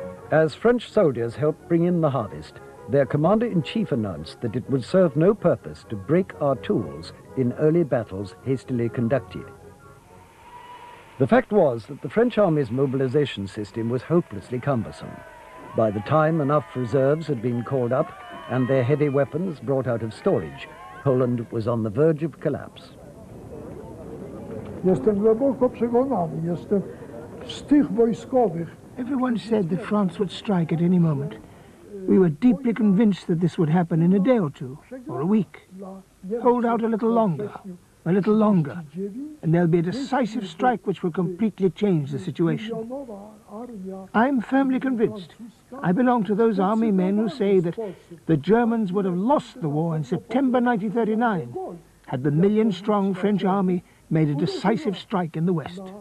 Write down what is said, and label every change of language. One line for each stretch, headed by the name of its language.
English: As French soldiers helped bring in the harvest, their commander-in-chief announced that it would serve no purpose to break our tools in early battles hastily conducted. The fact was that the French army's mobilization system was hopelessly cumbersome. By the time enough reserves had been called up and their heavy weapons brought out of storage, Poland was on the verge of collapse.
Polish: Jestem głęboko przekonany, jestem z tych wojskowych.
English: Everyone said that France would strike at any moment. We were deeply convinced that this would happen in a day or two, or a week. Hold out a little longer, and there'll be a decisive strike which will completely change the situation. I'm firmly convinced. I belong to those army men who say that the Germans would have lost the war in September 1939 had the million-strong French army made a decisive strike in the West.